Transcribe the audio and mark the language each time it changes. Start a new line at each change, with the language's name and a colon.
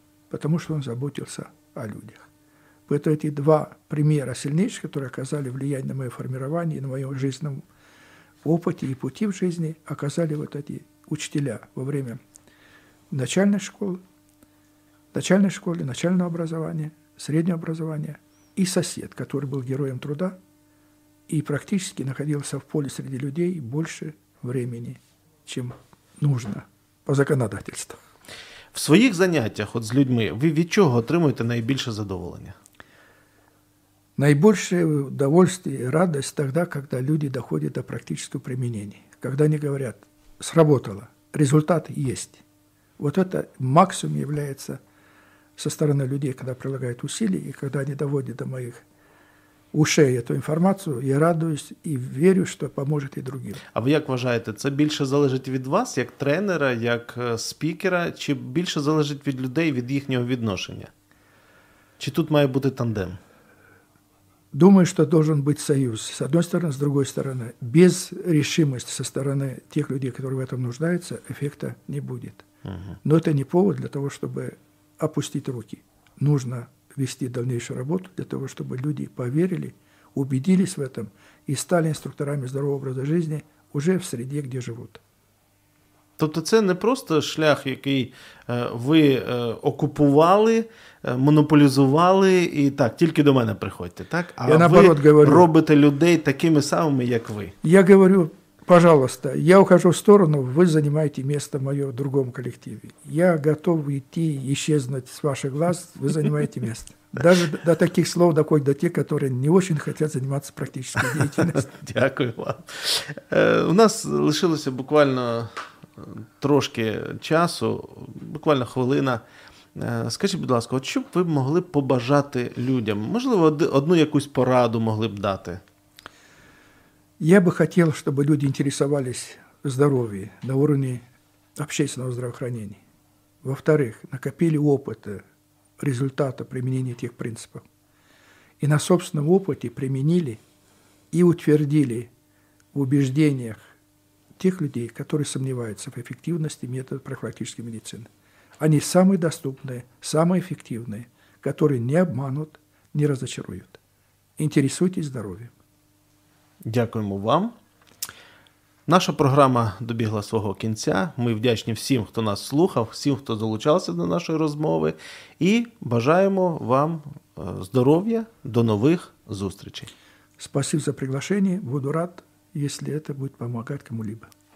Russian: Потому что он заботился о людях. Поэтому эти два примера сильнейших, которые оказали влияние на мое формирование, на моем жизненном опыте и пути в жизни, оказали вот эти учителя во время начальной школы, начального образования, среднего образования и сосед, который был героем труда, и практически находился в поле среди людей больше времени, чем нужно по законодательству. В своих занятиях от с людьми вы от чего
Ukrainian: отримуєте найбільше задоволення?
Russian: Найбольшее удовольствие и радость тогда, когда люди доходят до практического применения. Когда они говорят, сработало, результат есть. Вот это максимум является со стороны людей, когда прилагают усилия, и когда они доводят до моих ушей эту информацию, я радуюсь и верю, что поможет и другим. А вы как
Ukrainian: вважаете,
Russian: это больше зависит от вас, как тренера, как спикера,
Ukrainian: чи
Russian: больше зависит от людей, от их отношения?
Ukrainian: Чи тут має бути тандем?
Russian: Думаю, что должен быть союз. С одной стороны, с другой стороны. Без решимости со стороны тех людей, которые в этом нуждаются, эффекта не будет. Угу. Но это не повод для того, чтобы опустить руки. Нужно вести дальнейшую работу для того, чтобы люди поверили, убедились в этом и стали инструкторами здорового образа жизни уже в среде, где живут.
Ukrainian: Тобто це не просто шлях, який ви окупували, монополізували і так, тільки до мене приходьте, так?
Russian: А я, наоборот,
Ukrainian: ви
Russian: говорю,
Ukrainian: робите людей такими самими, як ви.
Russian: Я говорю, пожалуйста, я ухожу в сторону,
Ukrainian: ви займаєте місце в моєму другому колективі.
Russian: Я готов
Ukrainian: йти і
Russian: исчезнуть
Ukrainian: з
Russian: ваших глаз,
Ukrainian: ви займаєте місце.
Russian: Даже до таких слов доходять до тих,
Ukrainian: які не дуже хочуть займатися практичною діяльністю. Дякую вам. У нас лишилося буквально трошки часу, буквально хвилина. Скажіть, будь ласка, от що б ви могли побажати людям? Можливо, одну якусь пораду могли б дати?
Russian: Я бы хотел, чтобы люди интересовались здоровьем на уровне общественного здравоохранения. Во-вторых, накопили опыта, результата применения тех принципов. И на собственном опыте применили и утвердили в убеждениях тех людей, которые сомневаются в эффективности методов профилактической медицины. Они самые доступные, самые эффективные, которые не обманут, не разочаруют. Интересуйтесь здоровьем.
Ukrainian: Дякуємо вам. Наша програма добігла свого кінця. Ми вдячні всім, хто нас слухав, всім, хто долучався до нашої розмови. І бажаємо вам здоров'я, до нових зустрічей.
Russian: Спасибо за приглашення.
Ukrainian: Буду рад, якщо це буде допомагати кому-либо.